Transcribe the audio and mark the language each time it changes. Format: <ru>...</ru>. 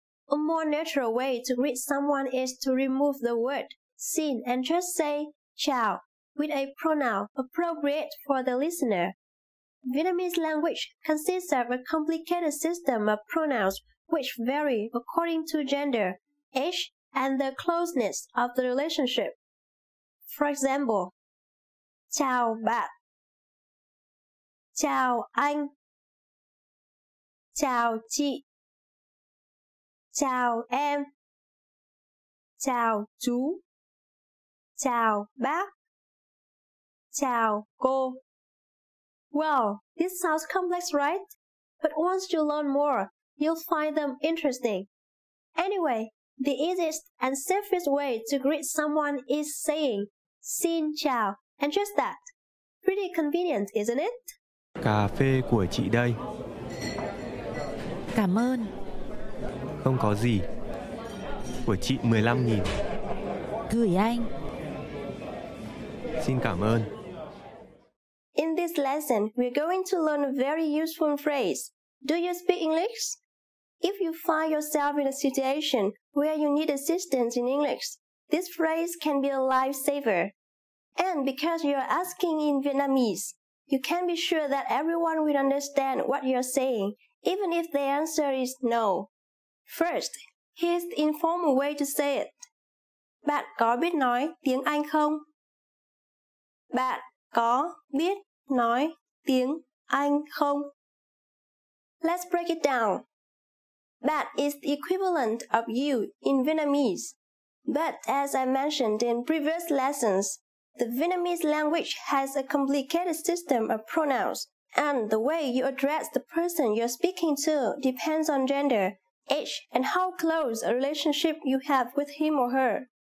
<en>A more natural way to greet someone is to remove the word xin and just say chào with a pronoun appropriate for the listener. Vietnamese language consists of a complicated system of pronouns which vary according to gender, age, and the closeness of the relationship. For example,</en> <vi>chào bạn, chào anh, chào chị, chào em, chào chú, chào bác, chào cô.</vi> <en>Well, this sounds complex, right? But once you learn more, you'll find them interesting. Anyway, the easiest and safest way to greet someone is saying</en> <vi>xin chào,</vi> <en>and just that. Pretty convenient, isn't it?</en> <vi>Cà phê của chị đây. Cảm ơn. Không có gì. Của chị 15.000. Gửi anh. Xin cảm ơn.</vi> <en>In this lesson, we're going to learn a very useful phrase. Do you speak English? If you find yourself in a situation where you need assistance in English, this phrase can be a lifesaver. And because you're asking in Vietnamese, you can be sure that everyone will understand what you're saying, even if the answer is no. First, here's the informal way to say it.</en> <vi>Bạn có biết nói tiếng Anh không? Bạn có biết nói tiếng Anh không?</vi> <en>Let's break it down. Bạn is the equivalent of you in Vietnamese. But as I mentioned in previous lessons, the Vietnamese language has a complicated system of pronouns, and the way you address the person you're speaking to depends on gender, age, and how close a relationship you have with him or her.</en>